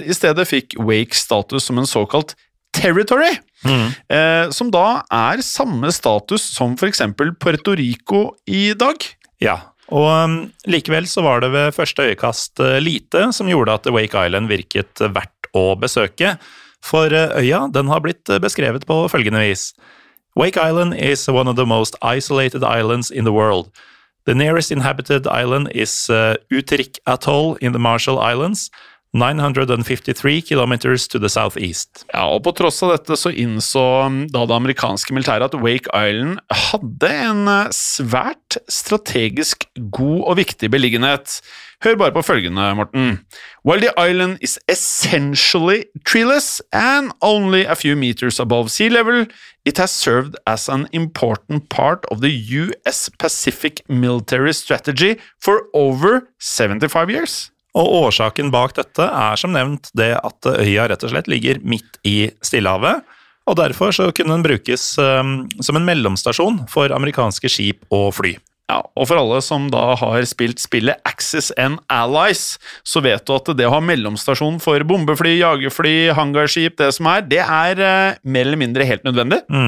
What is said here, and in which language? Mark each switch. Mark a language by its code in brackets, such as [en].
[no] I stedet fikk Wake status som en såkalt territory, som da er samme status som for eksempel Puerto Rico i dag. Ja, og likevel så var det ved første øyekast lite som gjorde at Wake Island virket verdt å besøke, for øya den har blitt beskrevet på følgende vis. [en] Wake Island is one of the most isolated islands in the world. The nearest inhabited island is Utrik Atoll in the Marshall Islands, 953 kilometers to the southeast. [no] Ja, og på tross av dette så innså da det amerikanske militæret at Wake Island hadde en svært strategisk god og viktig beliggenhet. Hør bare på følgende, Morten. [en] While the island is essentially treeless and only a few meters above sea level, it has served as an important part of the US Pacific military strategy for over 75 years. [no] Og årsaken bak dette er som nevnt det at øya rett og slett ligger midt i Stillehavet, og derfor så kunne den brukes som en mellomstasjon for amerikanske skip og fly. Ja, og for alle som da har spilt spillet Axis and Allies, så vet du at det å ha mellomstasjon for bombefly, jagerfly, hangarskip, det som er, det er mer eller mindre helt nødvendig.